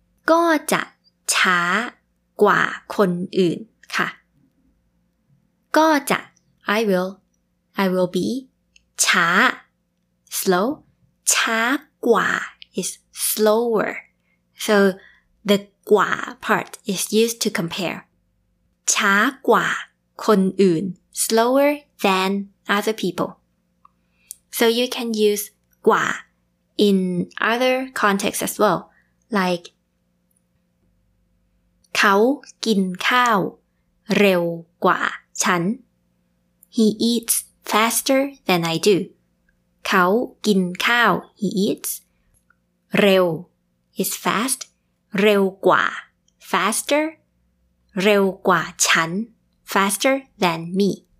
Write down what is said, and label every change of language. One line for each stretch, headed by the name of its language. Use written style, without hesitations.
Thai: ก็จะช้ากว่าคนอื่นค่ะก็จะ
English: I will be
Thai: ช้า slow ช้ากว่าIs slower.
English: So the กว่า part is used to compare. ช้ากว่าคนอื่น slower than other people. So you can use กว่า in other contexts as well. Like
Thai: เขากินข้าวเร็วกว่าฉัน
English: He eats faster than I do. เขากินข้าว He eatsเร็ว is fast เร็วกว่า faster เร็วกว่าฉัน faster than me